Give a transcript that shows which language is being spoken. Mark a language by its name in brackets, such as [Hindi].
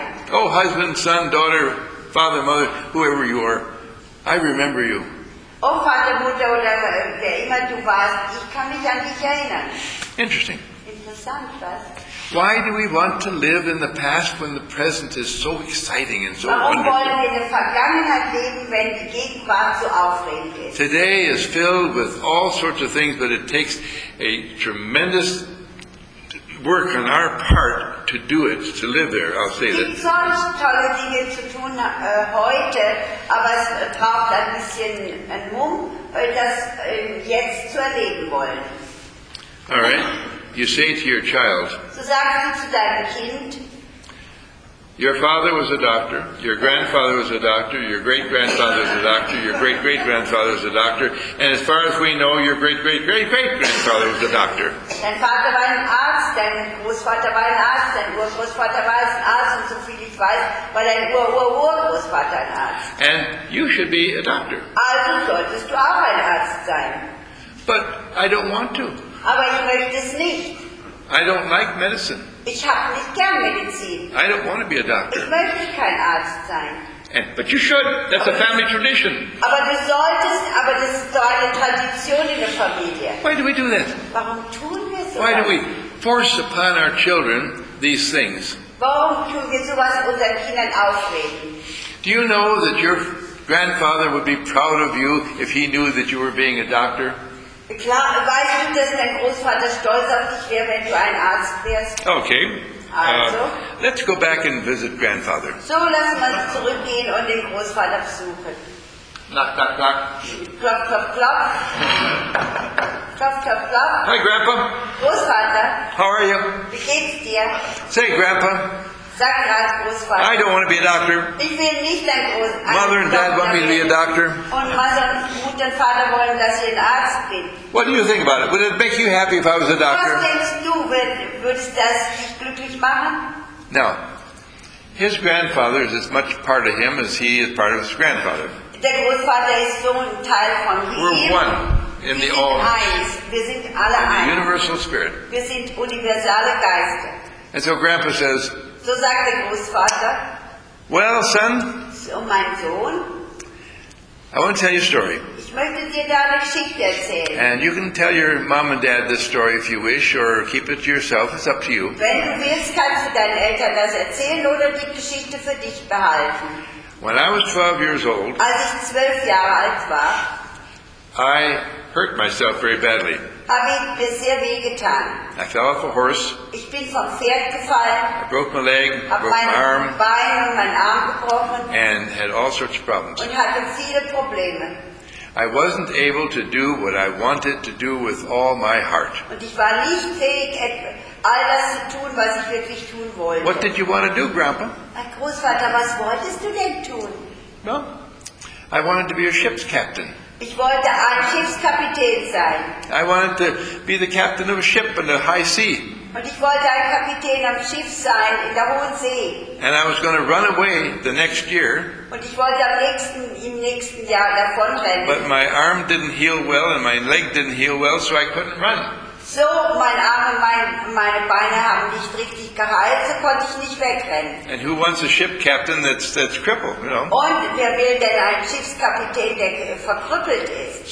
[English] Oh, husband, son, daughter, father, mother, whoever you are, I remember you. [German] Oh, Vater, Mutter, oder wer immer du warst, ich kann mich an dich erinnern. [English] Interesting. [German] Interessant, was? [English] Why do we want to live in the past when the present is so exciting and so [German] warum [English] wonderful? [German] Wollen wir in der Vergangenheit leben, wenn die Gegenwart so aufregend ist? [English] Today is filled with all sorts of things, but it takes a tremendous work on our part to do it, to live there, I'll say that. [German] Es gibt so tolle Dinge zu tun heute, aber es braucht ein bisschen Mumm, das jetzt zu erleben wollen. [English] All right. You say to your child, [German] so sagst du zu deinem Kind, [English] your father was a doctor, your grandfather was a doctor, your great-grandfather was a doctor, your great-great-grandfather was a doctor, and as far as we know, your great-great-great-great-grandfather was a doctor. [German] Dein Vater war ein Arzt, dein Großvater war ein Arzt, dein Urgroßvater war ein Arzt, und so viel ich weiß, war dein Urgroßvater ein Arzt. [English] And you should be a doctor. [German] Also solltest du auch ein Arzt sein. [English] But I don't want to. [German] Aber ich möchte es nicht. [English] I don't like medicine. [German] Ich habe nicht gern Medizin. [English] I don't want to be a doctor. [German] Ich möchte kein Arzt sein. [English] And, but you should. That's [German] aber [English] a family tradition. [German] Aber du solltest, aber das ist doch eine Tradition in der Familie. [English] Why do we do that? [German] Warum tun wir sowas? [English] Why do we force upon our children these things? [German] Warum tun wir sowas unseren Kindern aufreden? [English] Do you know that your grandfather would be proud of you if he knew that you were being a doctor? [German] Klar, weißt du, dass dein Großvater stolz auf dich wäre, wenn du ein Arzt wärst? [English] Okay. [German] Also, [English] let's go back and visit grandfather. [German] So, lass uns zurückgehen und den Großvater besuchen. [English] Knock, knock, knock. [German] Klopf, klopf, klopf. [English] Hi, Grandpa. [German] Großvater. [English] How are you? [German] Wie geht's dir? [English] Say, Grandpa. [German] Sag grad Großvater. [English] I don't want to be a doctor. [German] Ich will nicht ein Großvater. [English] Mother and Dad want me to be a doctor. [German] Und Mutter und Vater wollen, dass ich ein Arzt bin. [English] What do you think about it? Would it make you happy if I was a doctor? [German] Was denkst du, würdest das dich glücklich machen? [English] No. His grandfather is as much part of him as he is part of his grandfather. [German] Der Großvater ist so ein Teil von ihm. [English] We're one. In the all, in the universal spirit. [German] Wir sind universale Geister. [English] And so Grandpa says, [German] so sagt der Großvater, [English] well, son, [German] so mein Sohn, [English] I want to tell you a story. [German] Ich möchte dir da eine Geschichte erzählen. [English] And you can tell your mom and dad this story if you wish, or keep it to yourself, it's up to you. [German] Wenn du willst, kannst du deinen Eltern das erzählen oder die Geschichte für dich behalten. [English] When I was 12 years old, [German] als ich 12 Jahre alt war, [English] I hurt myself very badly. I fell off a horse. [German] Ich bin vom Pferd gefallen. [English] I broke my leg, broke my arm, [German] Bein und mein Arm gebrochen. [English] And had all sorts of problems. [German] Und hatte viele Probleme. [English] I wasn't able to do what I wanted to do with all my heart. [German] Und ich war nicht fähig, all das zu tun, was ich wirklich tun wollte. [English] What did you want to do, Grandpa? [German] Mein Großvater, was wolltest du denn tun? [English] No. I wanted to be a ship's captain. [German] Ich wollte ein Schiffskapitän sein. [English] I wanted to be the captain of a ship in the high sea. [German] Und ich wollte ein Kapitän am Schiff sein in der hohen See. [English] And I was going to run away the next year. [German] Und ich wollte im nächsten Jahr davonrennen. [English] But my arm didn't heal well and my leg didn't heal well, so I couldn't run. [German] So mein Arm und meine Beine haben nicht richtig geheilt, so konnte ich nicht wegrennen. [English] And who wants a ship captain that's crippled, you know? [German] Und wer will denn einen Schiffskapitän, der verkrüppelt ist?